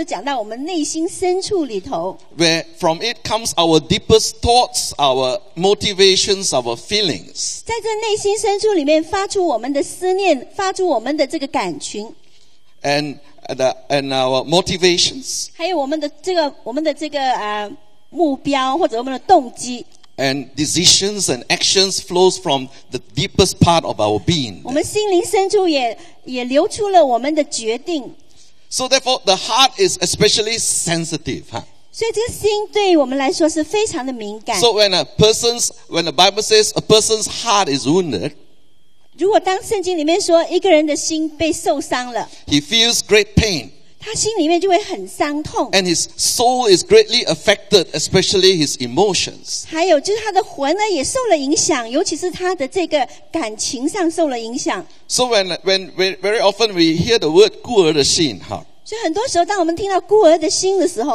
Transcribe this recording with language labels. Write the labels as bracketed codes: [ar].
[zh] 当圣经里面讲到心的时候它就讲到我们内心深处里头 [en] where from it comes our deepest thoughts our motivations our feelings [zh] 在这内心深处里面发出我们的思念发出我们的这个感群 [en] and our motivations [zh] 还有我们的这个目标或者我们的动机 [en] And decisions and actions flows from the deepest part of our being. [zh] 我们心灵深处也流出了我们的决定。 [en] So therefore, the heart is especially sensitive. Huh? [zh] 所以这个心对我们来说是非常的敏感。 [en] So when the Bible says a person's heart is wounded, [zh] 如果当圣经里面说一个人的心被受伤了, [en] he feels great pain. [zh] 他心里面就会很伤痛。 [en] And his soul is greatly affected, especially his emotions. [zh] 还有就是他的魂呢也受了影响, 尤其是他的这个感情上受了影响。 [en] So when very often we hear the word [zh] 孤儿的心, [en] huh? [zh] 所以很多时候当我们听到孤儿的心的时候,